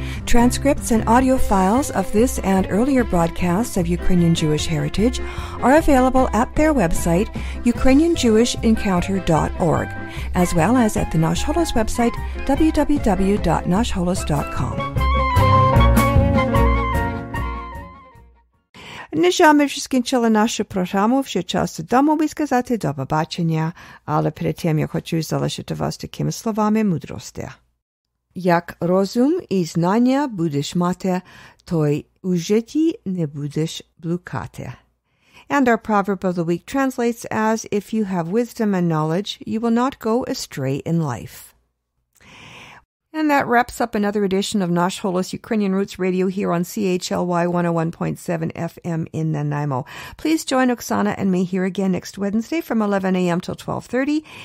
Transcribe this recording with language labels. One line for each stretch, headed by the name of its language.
English: Transcripts and audio files of this and earlier broadcasts of Ukrainian Jewish Heritage are available at their website, ukrainianjewishencounter.org, as well as at the Nash Holos website, www.nashholos.com.
Ukrainian: Не що ми вже скінчили нашу програму, вже час домовий сказати до побачення, але перед тим я хочу залишити вас такими словами мудрості. Як розум і знання будеш мати, то й у житті не будеш блукати.
English: And our proverb of the week translates as, if you have wisdom and knowledge, you will not go astray in life. And that wraps up another edition of Nash Holos Ukrainian Roots Radio here on CHLY 101.7 FM in Nanaimo. Please join Oksana and me here again next Wednesday from 11 a.m. till 12:30.